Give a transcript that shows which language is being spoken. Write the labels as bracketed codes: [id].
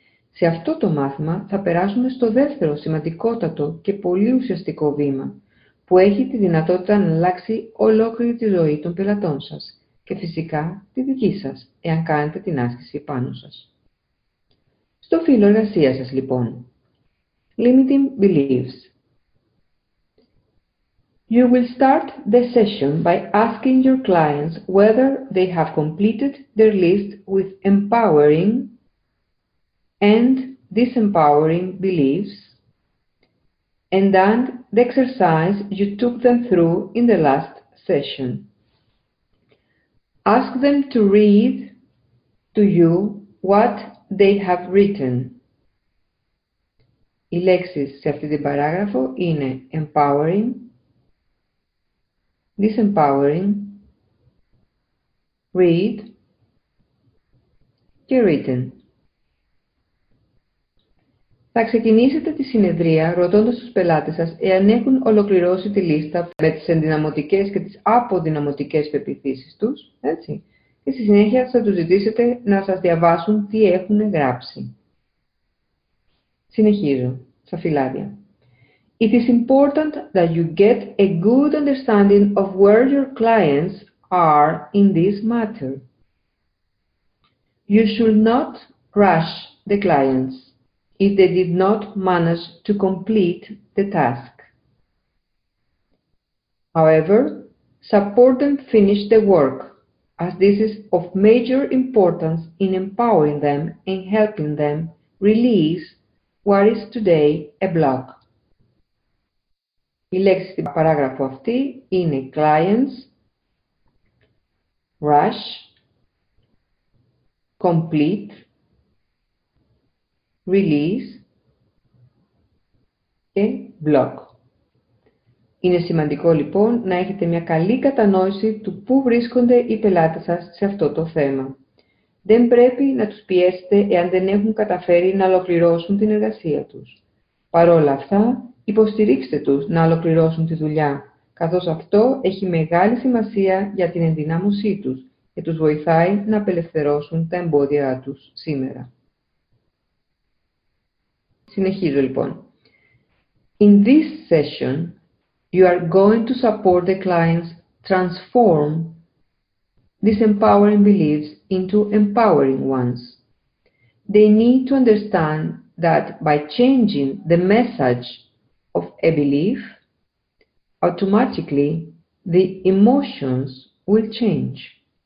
[el] Σε αυτό το μάθημα θα περάσουμε στο δεύτερο σημαντικότατο και πολύ ουσιαστικό βήμα, που έχει τη δυνατότητα να αλλάξει ολόκληρη τη ζωή των πελατών σας και φυσικά τη δική σας, εάν κάνετε την άσκηση πάνω σας. Στο φύλλο εργασίας σας, λοιπόν. [en] Limiting Beliefs. You will start the session by asking your clients whether they have completed their list with empowering and disempowering beliefs, and then the exercise you took them through in the last session. Ask them to read to you what they have written. [el] Οι λέξεις σε αυτή την παράγραφο είναι empowering, disempowering, read και written. Θα ξεκινήσετε τη συνεδρία ρωτώντας τους πελάτες σας εάν έχουν ολοκληρώσει τη λίστα με τις ενδυναμωτικές και τις αποδυναμωτικές πεποιθήσεις τους, έτσι, και στη συνέχεια θα τους ζητήσετε να σας διαβάσουν τι έχουν γράψει. Συνεχίζω, στα φυλάδια. [en] It is important that you get a good understanding of where your clients are in this matter. You should not rush the clients if they did not manage to complete the task. However, support them finish the work, as this is of major importance in empowering them and helping them release what is today a block. [el] Οι λέξεις στην παράγραφο αυτή είναι clients, rush, complete, release και block. Είναι σημαντικό λοιπόν να έχετε μια καλή κατανόηση του πού βρίσκονται οι πελάτες σας σε αυτό το θέμα. Δεν πρέπει να τους πιέσετε εάν δεν έχουν καταφέρει να ολοκληρώσουν την εργασία τους. Παρ' όλα αυτά, υποστηρίξτε τους να ολοκληρώσουν τη δουλειά, καθώς αυτό έχει μεγάλη σημασία για την ενδυνάμωσή τους και τους βοηθάει να απελευθερώσουν τα εμπόδια τους σήμερα. Συνεχίζω λοιπόν. [en] In this session, you are going to support the clients transform disempowering beliefs into empowering ones. They need to understand that by changing the message of a belief, automatically the emotions will change.